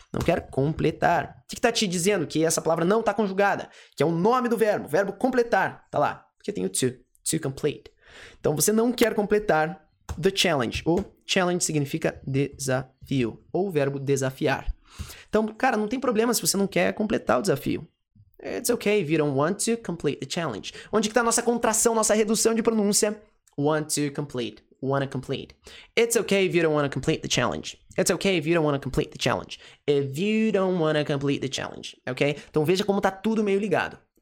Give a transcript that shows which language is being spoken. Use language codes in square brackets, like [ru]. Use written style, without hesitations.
[pt] Não quer completar. O que está te dizendo? Que essa palavra não está conjugada. Que é o nome do verbo. Verbo completar. Está lá. Porque tem o to complete. Então, você não quer completar [en] the challenge. [pt] O challenge significa desafio. Ou o verbo desafiar. Então, cara, não tem problema se você não quer completar o desafio. [en] It's okay if you don't want to complete the challenge. [pt] Onde que está a nossa contração, nossa redução de pronúncia? [en] Wanna complete. It's okay if you don't want to complete the challenge. It's okay if you don't want to complete the challenge. [pt] If you don't want to complete the challenge. Ok? Então veja como está tudo meio ligado.